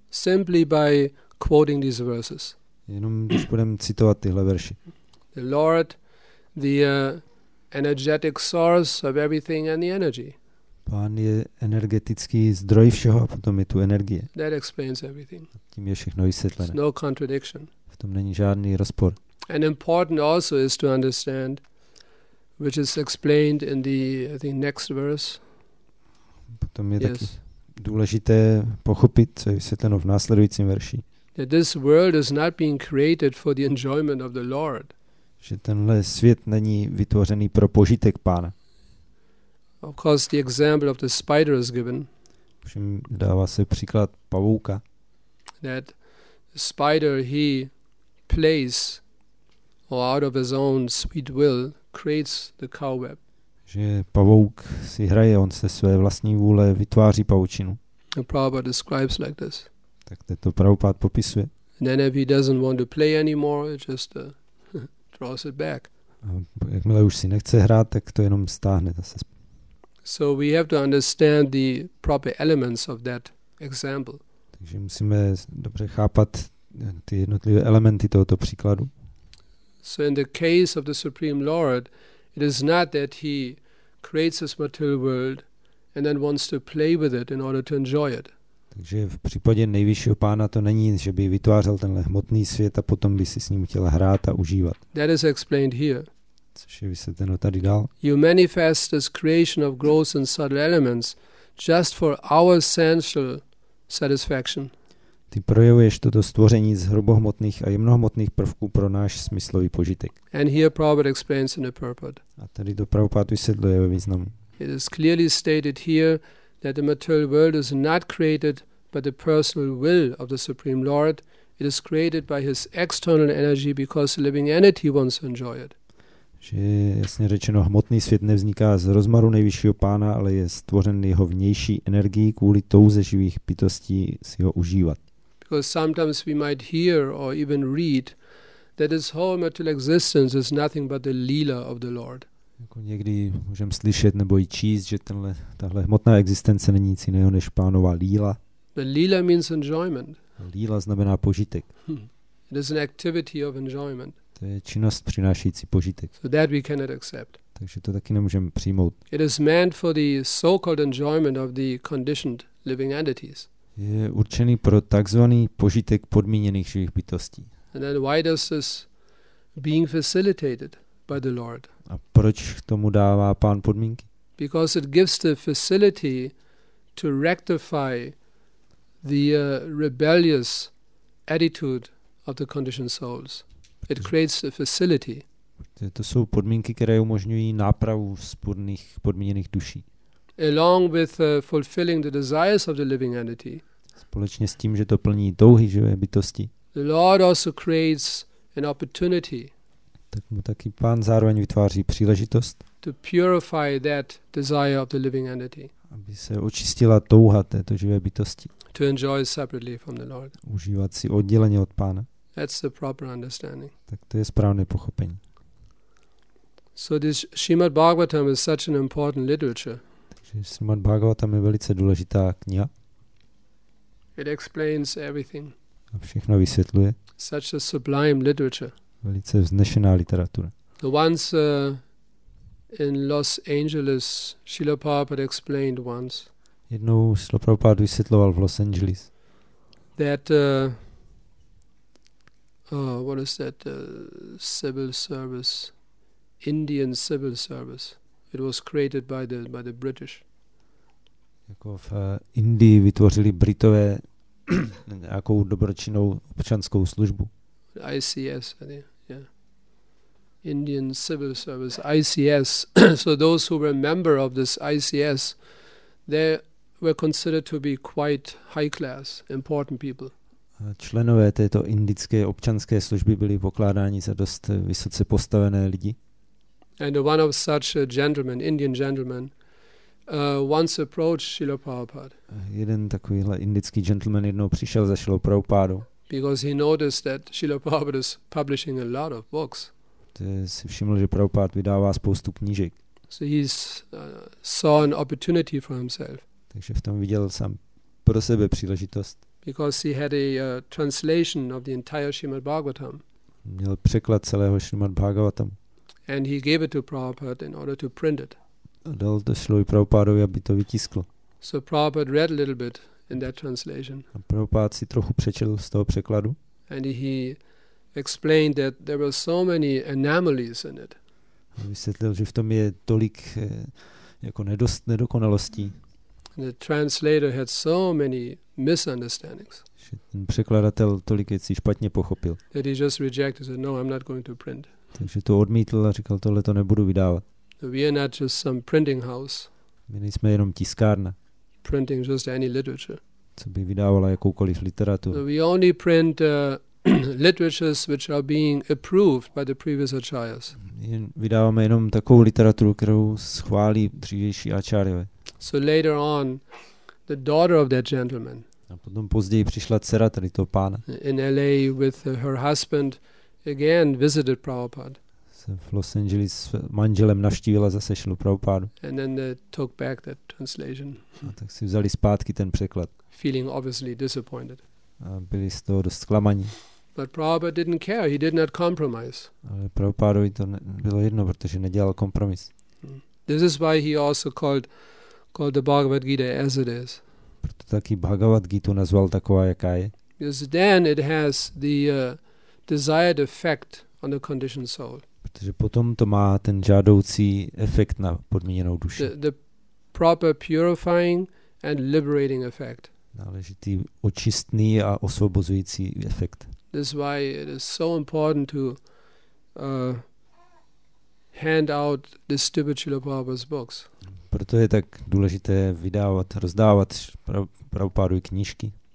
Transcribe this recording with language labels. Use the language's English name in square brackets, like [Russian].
[English] Simply by quoting these verses. [Czech] Jenom když budeme citovat tyhle verši. [English] The Lord, the energetic source of everything and the energy. [Czech] Pán je energetický zdroj všeho a potom je tu energie. [English] That explains everything. [Czech] Tím je všechno vysvětlené. [English] No contradiction. [Czech] V tom není žádný rozpor. [English] And important also is to understand, which is explained in the, I think, next verse. [Czech] Potom je taky důležité pochopit, co je vysvětleno v následujícím verši. [English] That this world is not being created for the enjoyment of the Lord. [Czech] Že tenhle svět není vytvořený pro požitek pána. [English] Of course the example of the spider is given. [Czech] Všem dává se příklad pavouka. [English] That spider, he plays or out of his own sweet will creates the cowweb. [Czech] Že pavouk si hraje, on se své vlastní vůle vytváří pavučinu. [English] The Prabhupada describes like this. [Czech] Tak to Prabhupada popisuje. [English] And then if he doesn't want to play anymore, it's just draws it back. [Czech] A jakmile už si nechce hrát, tak to jenom stáhne zase. [English] So we have to understand the proper elements of that example. [Czech] Takže musíme dobře chápat ty jednotlivé elementy tohoto příkladu. [English] So in the case of the Supreme Lord, it is not that he creates this material world and then wants to play with it in order to enjoy it. [Czech] Takže v případě nejvyššího pána to není, že by vytvářel tenhle hmotný svět a potom by si s ním chtěl hrát a užívat. [English] That is explained here. [Czech] Což je vysvětleno tady dál. [English] You manifest this creation of gross and subtle elements just for our sensual satisfaction. [Czech] Ty projevuješ toto stvoření z hrubohmotných a jemnohmotných prvků pro náš smyslový požitek. [English] And here Prabhupada explains in a purport. [Czech] A tady to Prabhupada vysvětluje ve významu. [English] It is clearly stated here that the material world is not created by the personal will of the Supreme Lord. It is created by his external energy because the living entity wants to enjoy it. [Czech] Že je jasně řečeno, hmotný svět nevzniká z rozmaru nejvyššího pána, ale je stvořen jeho vnější energií kvůli touze živých bytostí si ho užívat. [English] Because sometimes we might hear or even read that this whole material existence is nothing but the leela of the Lord. [Czech] Jako někdy můžeme slyšet nebo i číst, že tahle hmotná existence není nic jiného než pánova líla. [English] The leela means enjoyment. [Czech] Líla znamená požitek. [English] It is an activity of enjoyment. [Czech] To je činnost přinášející požitek. [English] So that we cannot accept. [Czech] Takže to taky nemůžeme přijmout. [English] It is meant for the so-called enjoyment of the conditioned living entities. [Czech] Je určený pro takzvaný požitek podmíněných živých bytostí. [English] And then why does this being facilitated by the Lord? [Czech] A proč tomu dává pán podmínky? [English] Because it gives the facility to rectify the rebellious attitude of the conditioned souls. It creates a facility. [Czech] To jsou podmínky, které umožňují nápravu vzpůrných podmíněných duší. [English] Along with fulfilling the desires of the living entity. [Czech] Společně s tím, že to plní touhy živé bytosti. [English] The Lord also creates an opportunity. [Czech] Tak mu taky pán zároveň vytváří příležitost. [English] To purify that desire of the living entity. [Czech] Aby se očistila touha této živé bytosti. [English] To enjoy separately from the Lord. [Czech] Užívat si odděleně od pána. [English] That's the proper understanding. [Czech] Tak to je správné pochopení. [English] So this Srimad Bhagavatam is such an important literature. [Czech] Takže Srimad Bhagavatam je velice důležitá kniha. [English] It explains everything. [Czech] A všechno vysvětluje. [English] Such a sublime literature. [Czech] Velice vznešená literatura. [English] The ones in Los Angeles, Srila Prabhupada explained once. [Czech] Jednou Srila Prabhupada vysvětloval v Los Angeles. [English] That what is that civil service? Indian civil service. It was created by the British. [Czech] Jako v Indii vytvořili Britové nějakou dobročinnou občanskou službu. [English] ICS, yeah. Indian civil service, ICS. So those who were a member of this ICS, they were considered to be quite high class, important people. [Czech] Členové této indické občanské služby byli pokládáni za dost vysoce postavené lidi. [English] And one of such gentlemen, Indian gentleman, once approached Srila Prabhupada. [Czech] Jeden takovýhle indický gentleman jednou přišel za Srila Prabhupádou. [English] Because he noticed that Srila Prabhupada is publishing a lot of books. [Czech] Si všiml, že Prabhupada vydává spoustu knížek. [English] So he saw an opportunity for himself. [Czech] Takže v tom viděl sám pro sebe příležitost. [English] Because he had a translation of the entire Srimad Bhagavatam. [Czech] Měl překlad celého Srimad Bhagavatam. [English] And he gave it to Prabhupada in order to print it. [Czech] A dal to Srilovi Prabhupádovi, aby to vytiskl. [English] So Prabhupada read a little bit in that translation. [Czech] A Prabhupada si trochu přečetl z toho překladu. [English] And he explained that there were so many anomalies in it. [Czech] A vysvětlil, že v tom je tolik jako nedokonalostí. [English] The translator had so many misunderstandings. [Czech] Ten překladatel tolik věcí špatně pochopil. [English] That he just rejected, said, no, I'm not going to print. [Czech] Takže to odmítl a říkal, tohle to nebudu vydávat. [English] We are not just some printing house. [Czech] My nejsme jenom tiskárna. [English] Printing just any literature. [Czech] Co by vydávala jakoukoliv literaturu. [English] So we only print literatures which are being approved by the previous acharyas. [Czech] Vydáváme jenom takovou literaturu, kterou schválí dřívější acharyové. [English] So later on, the daughter of that gentleman. [Czech] A potom později přišla dcera tady toho pána. [English] In LA with her husband, again visited Prabhupada. [Czech] V Los Angeles s manželem navštívila zase Šilu Prabhupádu. [English] And then they took back that translation. [Czech] A tak si vzali zpátky ten překlad. [English] Feeling obviously disappointed. [Czech] A byli z toho dost zklamaní. [English] But Prabhupada didn't care. He did not compromise. [Czech] Ale Prabhupádovi to bylo jedno, protože nedělal kompromis. [English] This is why he also called the Bhagavad Gita as it is. [Czech] Proto taky Bhagavad Gita nazval taková, jaká je. [English] Because then it has the desired effect on the conditioned soul. [Czech] Protože potom to má ten žádoucí efekt na podmíněnou duši. [English] The proper purifying and liberating effect. [Czech] Náležitý očistný a osvobozující efekt. [English] This is why it is so important to hand out the stupid Srila Prabhupada's books. [Czech] Proto je tak důležité vydávat, rozdávat Prabhupádovy knížky.